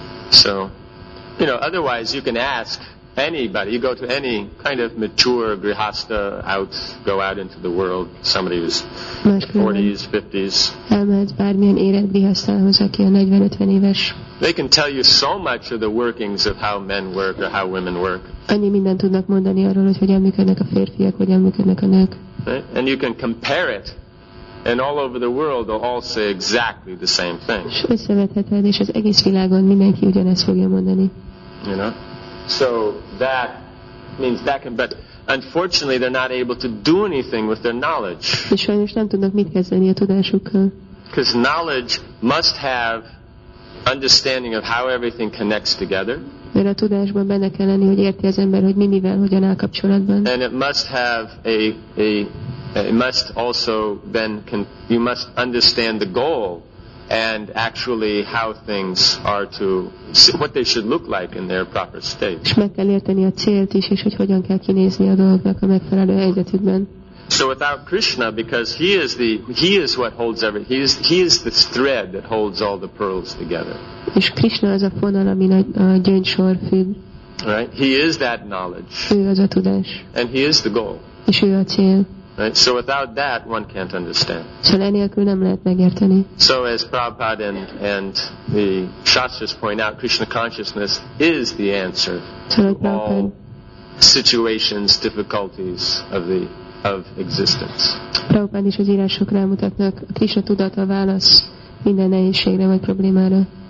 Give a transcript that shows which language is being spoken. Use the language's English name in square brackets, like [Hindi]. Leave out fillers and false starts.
[English] So, you know, otherwise you can ask anybody, you go to any kind of mature grihasta out, go out into the world, somebody who's 40s, 50s. [Hungarian] Elmehetsz bármilyen érett grihasztához, aki a 40-50 éves. [English] They can tell you so much of the workings of how men work or how women work. [Hungarian] Annyi mindent tudnak mondani arról, hogy hogyan működnek a férfiak, hogyan működnek a nők. [English] And you can compare it. And all over the world, they'll all say exactly the same thing. [Hungarian] És összevetheted, és az egész világon mindenki ugyanezt fogja mondani. [English] You know? So that means that can, but unfortunately they're not able to do anything with their knowledge. [Hungarian] És sajnos nem tudnak mit kezdeni a tudásukkal. [English] Because knowledge must have understanding of how everything connects together. [Hungarian] Mert a tudásban benne kell lenni, hogy érti az ember, hogy mi mivel, hogyan áll kapcsolatban. [English] And it must have a must also then, can, you must understand the goal and actually how things are to, what they should look like in their proper state. [Hungarian] És meg kell érteni a célt is, és hogy hogyan kell kinézni a dolgoknak a megfelelő helyzetükben. [English] So without Krishna, because he is what holds everything, he is this thread that holds all the pearls together. [Hungarian] És Krishna az a fonal, ami a gyöngysor függ. [English] Right? He is that knowledge. [Hungarian] Ő az a tudás. [English] And he is the goal. [Hungarian] És ő a cél. [English] Right? So without that, one can't understand. [Hungarian] Szóval enélkül nem lehet megérteni. [English] So as Prabhupada and the Shastras point out, Krishna consciousness is the answer to all situations, difficulties of existence. [Hungarian] Prabhupada is az írásokra mutatnak, a Krishna tudat a válasz minden nehézségre vagy problémára.